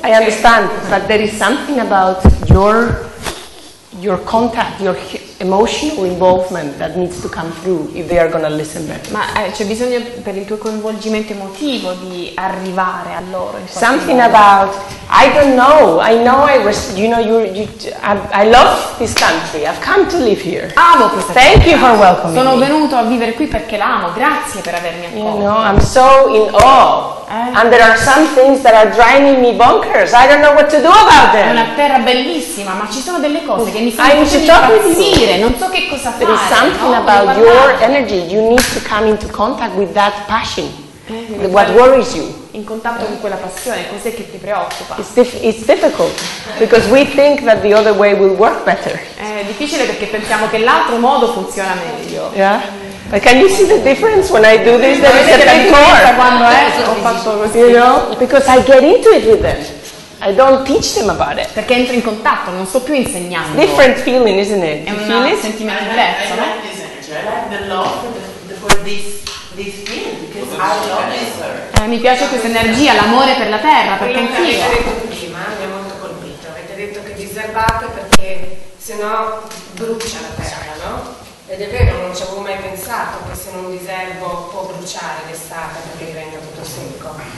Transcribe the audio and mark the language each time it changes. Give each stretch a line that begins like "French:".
English: I understand, but there is something about your contact, your emotional involvement that needs to come through if they are going to listen better.
Italian: Ma c'è bisogno per il tuo coinvolgimento emotivo di arrivare a loro.
English: Something about I don't know. I know I was. You know I love this country. I've come to live here.
Italian: Amo questa.
English: Thank you for welcoming.
Italian: Sono venuto a vivere qui perché l'amo. Grazie per avermi accolto.
English: You know, I'm so in awe. And there are some things that are driving me bonkers. I don't know what to do about them.
Italian: È una terra bellissima, ma ci sono delle cose che mi fanno impazzire. Non so che cosa fare.
English: There is something about your energy. You need to come into contact with that passion. What worries you?
Italian: In contatto con quella passione, cos'è che ti preoccupa?
English: It's difficult because we think that the other way will work better.
Italian: È difficile perché pensiamo che l'altro modo funziona meglio.
English: Yeah. But can you see the difference when I do this? There is a bit more. Quando ho fatto così. You know, because I get into it with them. I don't teach them about it.
Italian: Perché entro in contatto, non sto più insegnando.
English: It's different feeling, isn't it?
Italian: È un sentimento diverso, no?
English: The love for this field, because I love it.
Italian: Mi piace questa energia, l'amore per la terra, perché anch'io. Avete detto prima, mi ha molto colpito. Avete detto che diserbate perché sennò brucia la terra, no? Ed è vero, non ci avevo mai pensato che se non diserbo può bruciare l'estate perché diventa tutto secco.